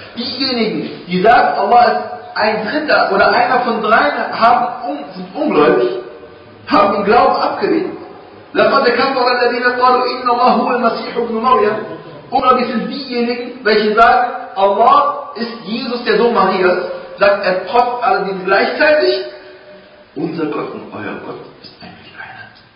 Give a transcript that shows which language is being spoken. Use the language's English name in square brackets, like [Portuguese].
[German] Diejenigen, die sagen, Allah ist ein Dritter oder einer von dreien, sind ungläubig, haben den Glauben abgelehnt. [Arabic] لقد كفر الذين قالوا إن الله هو المسيح ابن مريم. [German] Ungläubig sind diejenigen, welche sagen, Allah ist Jesus, der Sohn Marias. Sagt er, trotz allerdings gleichzeitig, unser Gott und euer Gott ist eigentlich einer.